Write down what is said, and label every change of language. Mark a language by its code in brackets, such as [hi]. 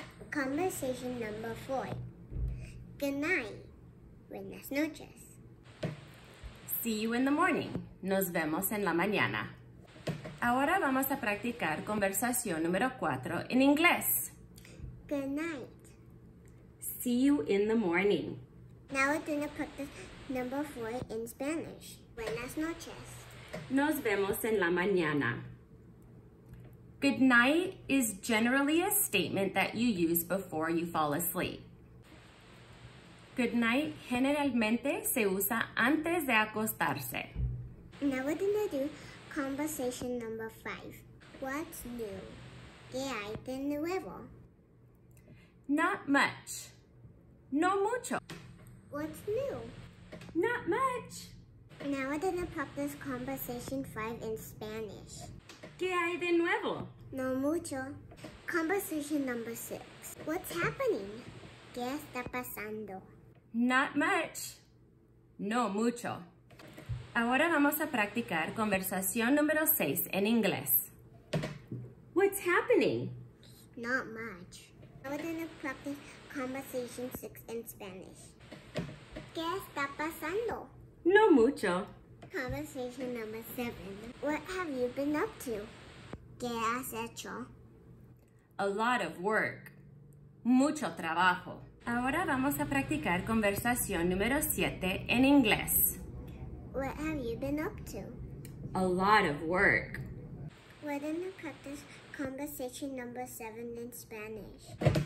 [en] Conversation number 4. Good night. [es] Buenas noches. [en] See you in the morning. [es] Nos vemos en la mañana. Ahora vamos a practicar conversación número 4 en inglés. [en] Good night. See you in the morning. Now we're going to practice number 4 in Spanish. [es] Buenas noches. Nos vemos en la mañana. [en] Good night is generally a statement that you use before you fall asleep. [es] Good night generalmente se usa antes de acostarse. [en] Now we're going to do conversation number 5. What's new? [es] ¿Qué hay de nuevo? [en] Not much. [es] No mucho. [en] What's new? Not much. Now we're going to practice conversation 5 in Spanish. [es] ¿Qué hay de nuevo? No mucho. [en] Conversation number 6. What's happening? [es] ¿Qué está pasando? [en] Not much. [es] No mucho. Ahora vamos a practicar conversación número 6 en inglés. [en] What's happening? Not much. Now we're going to practice conversation 6 in Spanish. [es] ¿Qué está pasando? No mucho. [en] Conversation number 7. What have you been up to? [es] ¿Qué has hecho? [en] A lot of work. [es] Mucho trabajo. Ahora vamos a practicar conversación número 7 en inglés. [en] What have you been up to? A lot of work. We're going to practice conversation number 7 in Spanish.